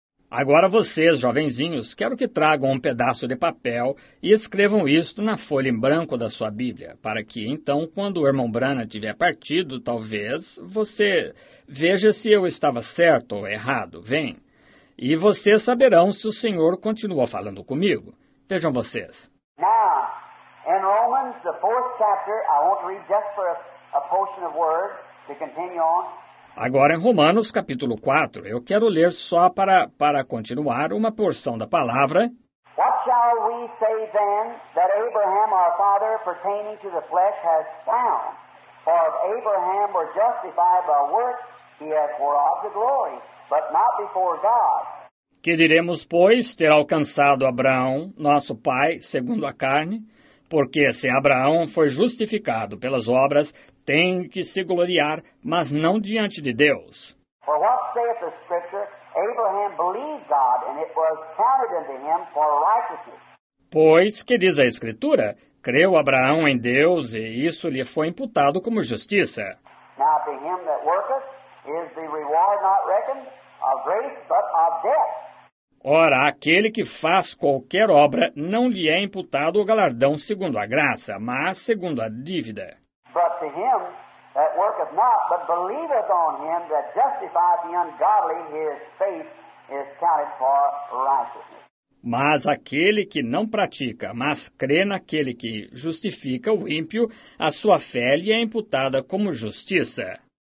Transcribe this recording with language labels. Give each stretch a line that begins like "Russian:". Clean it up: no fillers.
Portuguese: Agora vocês, jovenzinhos, quero que tragam um pedaço de papel e escrevam isto na folha em branco da sua Bíblia, para que então, quando o irmão Branham tiver partido, talvez, você veja se eu estava certo ou errado, vem. E vocês saberão se o Senhor continua falando comigo. Vejam vocês.
English: Now, in Romans, the 4th chapter, I want to read just for a portion of word to continue on.
Portuguese: Agora em Romanos capítulo 4, eu quero ler só para continuar uma porção da palavra.
English: What shall we say then that Abraham our father pertaining to the flesh has found? For if Abraham were justified by works, he hath wrought the glory, but not before God.
Portuguese: Que diremos, pois, ter alcançado Abraão, nosso pai, segundo a carne? Porque se Abraão foi justificado pelas obras, tem que se gloriar, mas não diante de Deus.
English: For what saith the scripture? Abraham believed God, and it was counted unto him for righteousness.
Portuguese: Pois, que diz a Escritura? Creu Abraão em Deus, e isso lhe foi imputado como justiça.
English: Now to him that worketh is the reward not reckoned of grace, but of debt.
Portuguese: Ora, aquele que faz qualquer obra não lhe é imputado o galardão segundo a graça, mas segundo a dívida.
English: But to him that worketh not, but believeth on him that justifies the ungodly, his faith is counted for righteousness.
Portuguese: Mas aquele que não pratica, mas crê naquele que justifica o ímpio, a sua fé lhe é imputada como justiça.